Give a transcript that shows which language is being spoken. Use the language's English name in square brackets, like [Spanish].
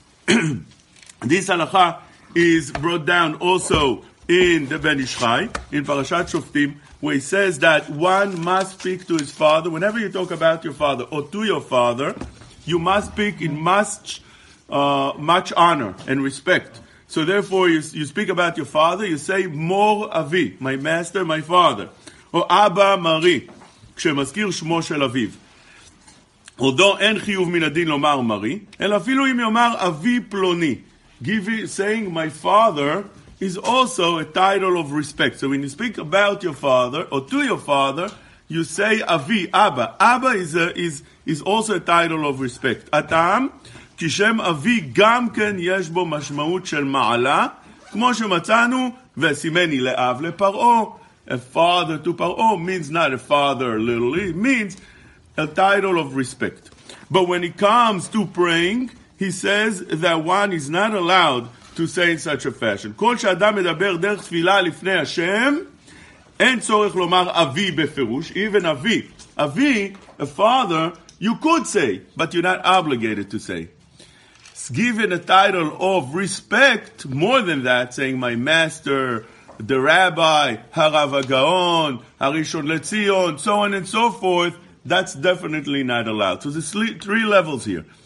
[English] This halacha is brought down also in the Ben Ish Chai, in Parashat Shoftim, where he says that one must speak to his father, whenever you talk about your father, or to your father, you must speak in much honor and respect. So therefore, you speak about your father, you say, Mor Avi, my master, my father. [Hebrew] Or Abba Mari, כשמזכיר שמו של אביו. Although אין חיוב מן הדין לומר מרי, אלא אפילו אם יאמר אבי פלוני. [English] Saying my father is also a title of respect. So when you speak about your father, or to your father, you say Avi, Abba. Abba is also a title of respect. [Hebrew] Atam, כי שם אבי גם כן יש בו משמעות של מעלה, כמו שמצאנו, וסימני לאב לפרעו. [English] A father to פרעו means not a father literally, it means a title of respect. But when it comes to praying, he says that one is not allowed to say in such a fashion. [Hebrew] כל שאדם מדבר דרך תפילה לפני השם, אין צורך לומר אבי בפירוש, even אבי. [English] אבי, a father, you could say, but you're not obligated to say. Given a title of respect, more than that, saying my master, the rabbi, Harav HaGaon, HaRishon LeZion, so on and so forth, that's definitely not allowed. So there's three levels here.